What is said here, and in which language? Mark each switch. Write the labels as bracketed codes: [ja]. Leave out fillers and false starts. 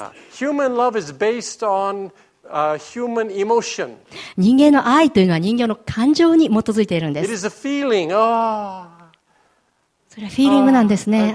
[en] Yeah. Human love is based on human emotion. [ja] 人間の愛というのは人間の感情に基づいているんです。 [en] It is a feeling. Oh. [ja] それはフィーリングなんですね。